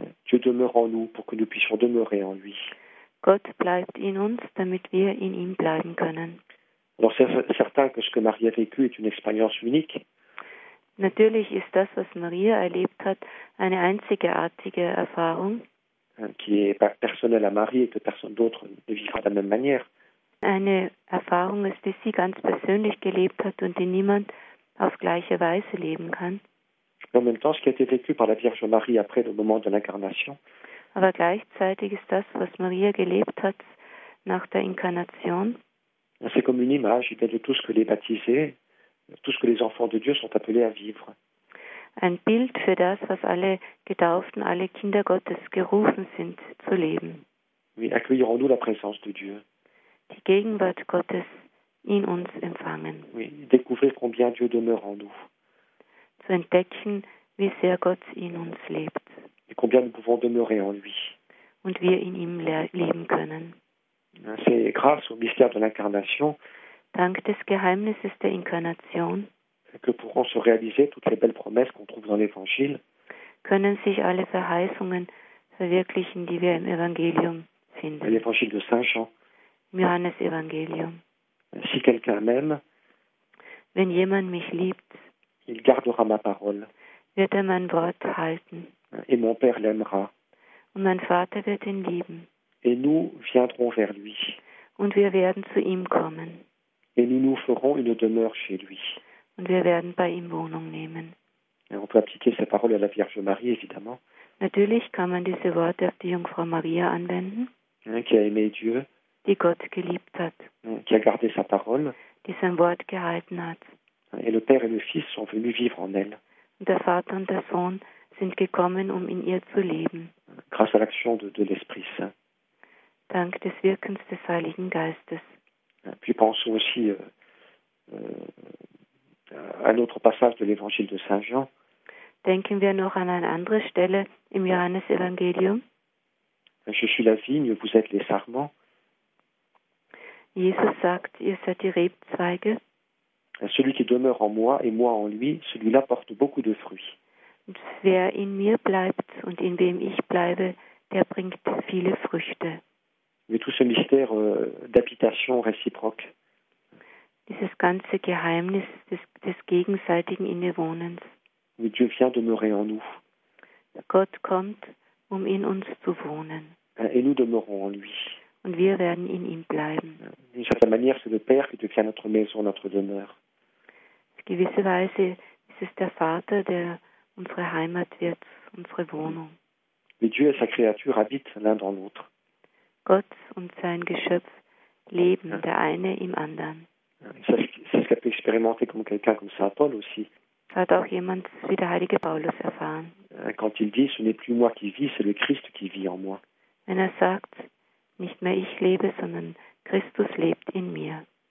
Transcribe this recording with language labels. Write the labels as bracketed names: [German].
[French] Dieu demeure en nous pour que nous puissions demeurer en lui. [German] Gott bleibt in uns, damit wir in ihm bleiben können. [French] Alors c'est certain que ce que Marie a vécu est une expérience unique. [German] Natürlich ist das, was Maria erlebt hat, eine einzigartige Erfahrung. [French] Qui est personnelle à Marie et que personne d'autre ne vivra de la même manière. [German] Eine Erfahrung ist, die sie ganz persönlich gelebt hat und die niemand auf gleiche Weise leben kann. [French] En même temps, ce qui a été vécu par la Vierge Marie après le moment de l'incarnation, [German] aber gleichzeitig ist das, was Maria gelebt hat nach der Inkarnation, [French] c'est comme une image de tout ce que les baptisés, tout ce que les enfants de Dieu sont appelés à vivre. [German] Ein Bild für das, was alle Getauften, alle Kinder Gottes gerufen sind zu leben. [French] Wie accueillerons-nous la présence de Dieu? [German] Die Gegenwart Gottes in uns empfangen. [French] Oui, découvrir combien Dieu demeure en nous. [German] Zu entdecken, wie sehr Gott in uns lebt. [French] Et combien nous pouvons demeurer en lui. [German] Und wir in ihm leben können. [French] C'est grâce au mystère de l'incarnation, [German] dank des Geheimnisses der Inkarnation, [French] que pourront se réaliser toutes les belles promesses qu'on trouve dans l'Évangile, [German] können sich alle Verheißungen verwirklichen, die wir im Evangelium finden. [French] L'Évangile de Saint Jean. [German] Johannes Evangelium. [French] Si quelqu'un m'aime, [German] wenn jemand mich liebt, [French] il gardera ma parole, [German] wird er mein Wort halten, [French] et mon Père l'aimera, [German] und mein Vater wird ihn lieben, [French] et nous viendrons vers lui, [German] und wir werden zu ihm kommen, [French] et nous nous ferons une demeure chez lui, [German] und wir werden bei ihm Wohnung nehmen. [French] Et on peut appliquer ces paroles à la Vierge Marie, évidemment. [German] Natürlich kann man diese Worte auf die Jungfrau Maria anwenden, [French] qui a aimé Dieu, [German] die Gott geliebt hat, [French] qui a gardé sa parole, [German] die sein Wort gehalten hat. [French] Et le Père et le Fils sont venus vivre en elle. [German] Und der Vater und der Sohn sind gekommen, um in ihr zu leben. [French] Grâce à l'action de l'Esprit Saint. [German] Dank des Wirkens des Heiligen Geistes. [French] Puis pensons aussi à un autre passage de l'Évangile de Saint Jean. [German] Denken wir noch an eine andere Stelle im Johannesevangelium. [French] Je suis la vigne, vous êtes les sarments. [German] Jesus sagt, ihr seid die Rebzweige. [French] Celui qui demeure en moi et moi en lui, celui-là porte beaucoup de fruits. [German] Wer in mir bleibt und in wem ich bleibe, der bringt viele Früchte. [French] Mais tout ce mystère d'habitation réciproque. [German] Dieses ganze Geheimnis des gegenseitigen Innewohnens. [French] Mais Dieu vient demeurer en nous. [German] Gott kommt, um in uns zu wohnen. [French] Et nous demeurons en lui. [German] Und wir werden in ihm bleiben. [French] D'une certaine manière, c'est le Père qui devient notre maison, notre demeure. [German] gewisse Weise ist es der Vater, der unsere Heimat wird, unsere Wohnung. [French] Mais Dieu et sa créature habitent l'un dans l'autre. [German] Gott und sein Geschöpf leben, der eine im anderen. [French] C'est ce qu'a pu expérimenter comme quelqu'un comme Saint Paul aussi. [German] Hat auch jemand wie der heilige Paulus erfahren. [French] Quand il dit, ce n'est plus moi qui vis, c'est le Christ qui vit en moi. [German] Wenn er sagt, nicht mehr ich lebe, sondern Christus lebt in mir.